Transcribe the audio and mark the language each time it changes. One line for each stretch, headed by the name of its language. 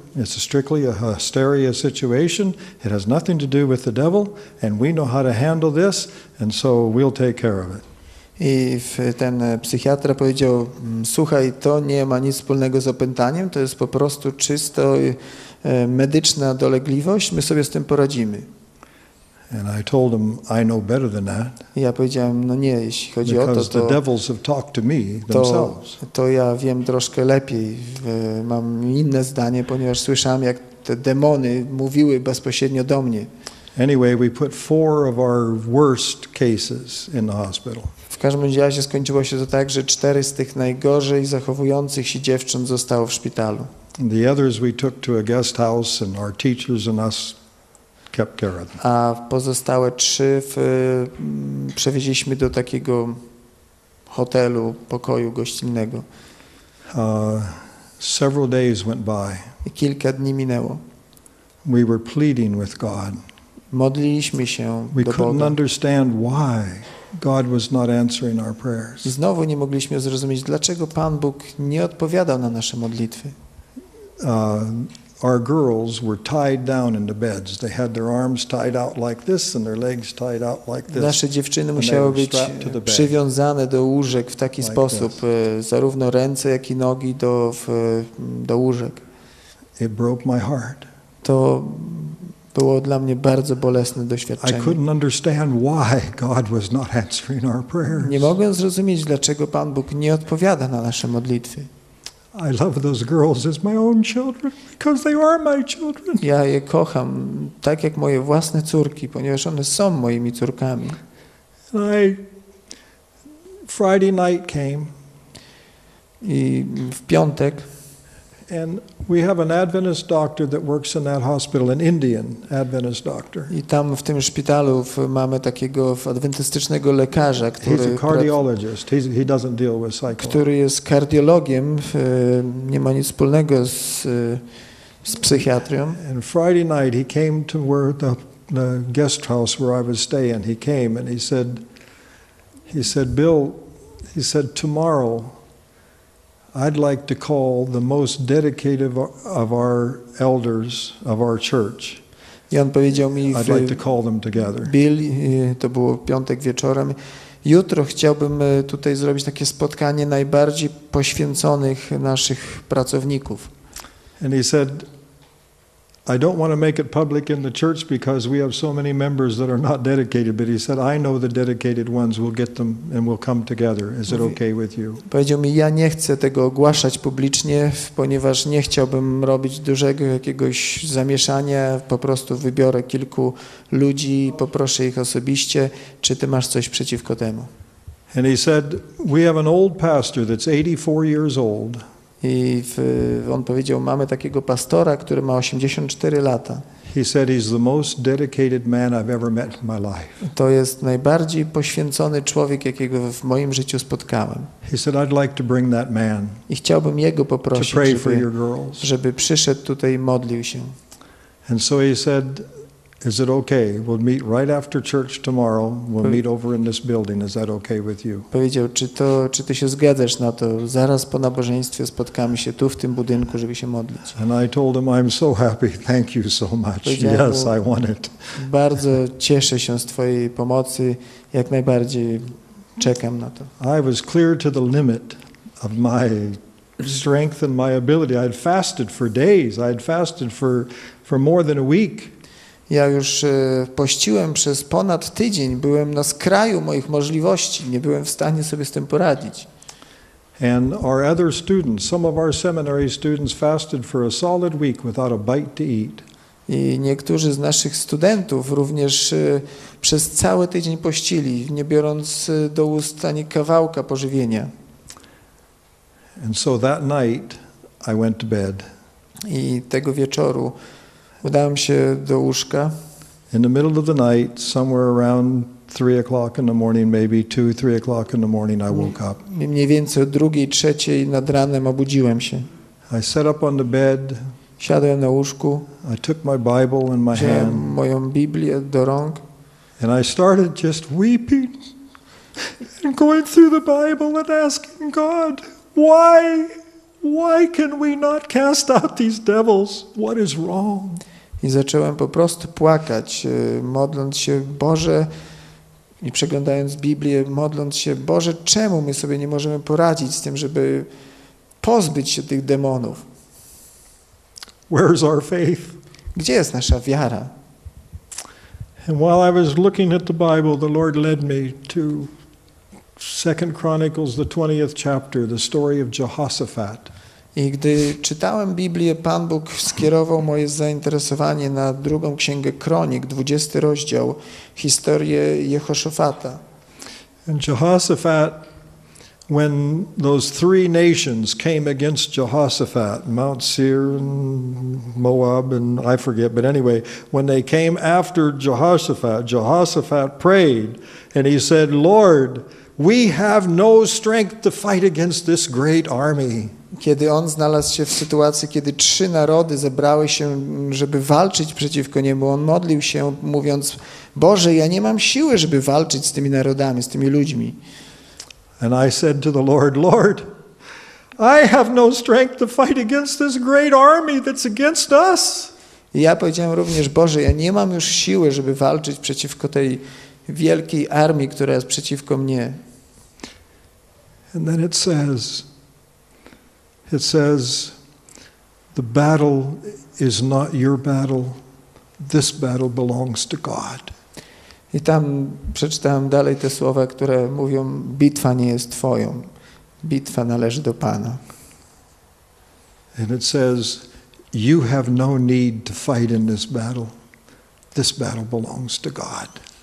English: It's strictly a hysteria situation. It has nothing to do with the devil, and we know how to handle this, and so we'll take care of it.
Polish: I ten psychiatra powiedział, słuchaj, to nie ma nic wspólnego z opętaniem, to jest po prostu czysto medyczna dolegliwość, my sobie z tym poradzimy.
English: And I told him I know better than that.
Polish: Ja powiedziałem, no nie, jeśli chodzi
English: because
Polish: o to,
English: the devils have talked to me themselves.
Polish: To ja wiem troszkę lepiej. Mam inne zdanie, ponieważ słyszałem, jak te demony mówiły bezpośrednio do mnie.
English: Anyway, we put four of our worst cases in the hospital.
Polish: W każdym razie skończyło się to tak, że cztery z tych najgorzej zachowujących się dziewcząt zostało w szpitalu.
English: The others we took to a guest house and our teachers and us kept care of them.
Polish: A pozostałe trzy przewieźliśmy do takiego hotelu, pokoju gościnnego.
English: Several days went by.
Polish: I kilka dni minęło.
English: We were pleading with God.
Polish: Modliliśmy się
English: we
Polish: do Boga.
English: We couldn't understand why God was not answering our prayers.
Polish: Znowu nie mogliśmy zrozumieć, dlaczego Pan Bóg nie odpowiadał na nasze modlitwy.
English: Our girls were tied down in the beds. They had their arms tied out like this and their legs tied out like this.
Polish: Nasze dziewczyny musiały być przywiązane do łóżek w taki sposób, zarówno ręce, jak i nogi do łóżek.
English: It broke my heart.
Polish: To było dla mnie bardzo bolesne doświadczenie.
English: I couldn't understand why God was not answering our prayers.
Polish: Nie mogłem zrozumieć, dlaczego Pan Bóg nie odpowiada na nasze modlitwy.
English: I love those girls as my own children because they are my children.
Polish: Ja je kocham tak jak moje własne córki, ponieważ one są moimi córkami.
English: And I Friday night came.
Polish: I w piątek.
English: And we have an Adventist doctor that works in that hospital, an Indian Adventist doctor.
Polish: I tam w tym szpitalu mamy takiego adwentystycznego lekarza,
English: he's a cardiologist. He doesn't deal with psychology.
Polish: Który jest kardiologiem, nie ma nic wspólnego z psychiatrią.
English: And Friday night he came to where the guest house where I was staying. He came and he said, Bill, he said, tomorrow I'd like to call the most dedicated of our elders of our church.
Polish: I on powiedział mi,
English: I'd like to call them together.
Polish: Bill, to było piątek wieczorem. Jutro chciałbym tutaj zrobić takie spotkanie najbardziej poświęconych naszych pracowników.
English: And he said, I don't want to make it public in the church because we have so many members that are not dedicated, but he said, I know the dedicated ones, we'll get them and we'll come together. Is it okay with you?
Polish: Powiedział mi, ja nie chcę tego ogłaszać publicznie, ponieważ nie chciałbym robić dużego jakiegoś zamieszania, po prostu wybiorę kilku ludzi, poproszę ich osobiście, czy ty masz coś przeciwko temu?
English: And he said, we have an old pastor that's 84 years old.
Polish: I on powiedział, mamy takiego pastora, który ma 84 lata.
English: He said he's the most dedicated man I've ever met in my life.
Polish: To jest najbardziej poświęcony człowiek, jakiego w moim życiu spotkałem.
English: He said I'd like to bring that man.
Polish: I chciałbym jego poprosić,
English: to pray for your girls.
Polish: Żeby przyszedł tutaj i modlił się.
English: And so he said, is it okay? We'll meet right after church tomorrow. We'll meet over in this building. Is that okay with you?
Polish: Powiedział, czy ty się zgadzasz na to? Zaraz po nabożeństwie spotkamy się tu w tym budynku, żeby się modlić.
English: And I told him, I'm so happy. Thank you so much. Yes, I want it.
Polish: Bardzo cieszę się z twojej pomocy. Jak najbardziej czekam na to.
English: I was clear to the limit of my strength and my ability. I had fasted for days. I had fasted for more than a week.
Polish: Ja już pościłem przez ponad tydzień, byłem na skraju moich możliwości, nie byłem w stanie sobie z tym poradzić.
English: And our other students, some of our seminary students fasted for a solid week without a bite to eat.
Polish: I niektórzy z naszych studentów również przez cały tydzień pościli, nie biorąc do ust ani kawałka pożywienia.
English: And so that night I went to bed.
Polish: I tego wieczoru udałem się do łóżka.
English: In the middle of the night, somewhere around 3 o'clock in the morning, maybe 2-3 o'clock in the morning, I woke up.
Polish: Mniej więcej o 2-3 nad ranem obudziłem się.
English: I sat up on the bed.
Polish: Siadłem na łóżku.
English: I took my Bible in my hand.
Polish: Wziąłem moją Biblię do rąk.
English: And I started just weeping and going through the Bible and asking God, why? Why can we not cast out these devils? What is wrong?
Polish: I zacząłem po prostu płakać, modląc się, Boże, i przeglądając Biblię, modląc się, Boże, czemu my sobie nie możemy poradzić z tym, żeby pozbyć się tych demonów?
English: Where is our faith?
Polish: Gdzie jest nasza wiara?
English: And while I was looking at the Bible, the Lord led me to 2 Chronicles, the 20th chapter, the story of Jehoshaphat.
Polish: I gdy czytałem Biblię, Pan Bóg skierował moje zainteresowanie na drugą księgę Kronik, 20 rozdział, historię Jehoszafata.
English: And Jehoshaphat, when those three nations came against Jehoshaphat, Mount Seir and Moab and I forget, but anyway, when they came after Jehoshaphat, Jehoshaphat prayed and he said, Lord, we have no strength to fight against this great army.
Polish: Kiedy on znalazł się w sytuacji, kiedy trzy narody zebrały się, żeby walczyć przeciwko niemu, on modlił się, mówiąc, Boże, ja nie mam siły, żeby walczyć z tymi narodami, z tymi ludźmi.
English: And I said to the Lord, Lord, I have no strength to fight against this great army that's against us.
Polish: I ja powiedziałem również, Boże, ja nie mam już siły, żeby walczyć przeciwko tej wielkiej armii, która jest przeciwko mnie.
English: And then it says, the battle is not your battle. This battle belongs to God.
Polish: I tam przeczytałem dalej te słowa, które mówią, bitwa nie jest twoją. Bitwa należy do Pana.
English: And it says, you have no need to fight in this battle. This battle belongs to God.